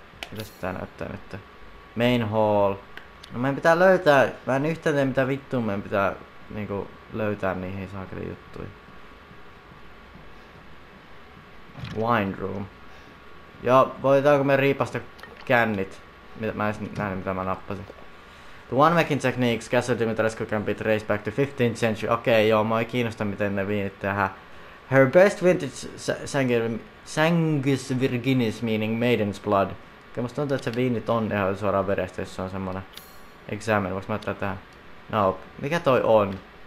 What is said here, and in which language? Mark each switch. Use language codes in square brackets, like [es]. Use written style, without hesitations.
[fi] Mitäs tää näyttää nyt? [en] Main hall. [fi] No meidän pitää löytää, mä en yhtään tee mitä vittua meidän pitää niinku löytää niihin saakeli juttuihin. [en] Wine room. [fi] Joo, voitaanko me riipasta kännit? Mä en nähdä mitä mä nappasin. [en] The one making techniques, Castle Dimitrescu can be traced back to 15th century. [fi] Okei, joo, mä oon kiinnosta miten ne viinit tehdään. [en] Her best vintage Sanguis Virginis, meaning maiden's blood. [fi] Okei, musta tuntuu, että se viini on ihan suoraan verestä, jos se on semmonen examen. Voinko mä ottaa tähän? No, nope. Mikä toi on? Okei.